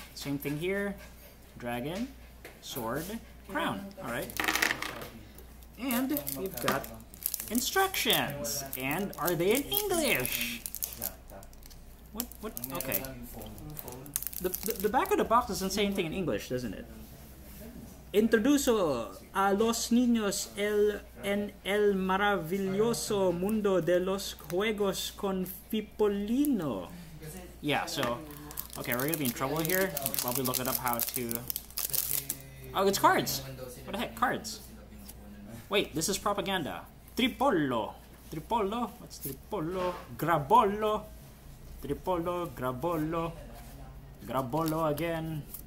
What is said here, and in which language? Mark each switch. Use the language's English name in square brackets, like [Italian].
[English] Same thing here. Dragon, sword, crown. All right. And we've got instructions. And are they in English? What? Okay. The back of the box doesn't say anything in English, doesn't it? [Spanish] Introduzco a los niños en el maravilloso mundo de los juegos con Fipolino. [English] Yeah, so, okay, we're gonna be in trouble here. Probably looking up how to. Oh, it's cards! What the heck, cards? Wait, this is propaganda. Tripollo! Tripollo? What's tripollo? Grabollo! Tripollo, grabollo. Grabollo again.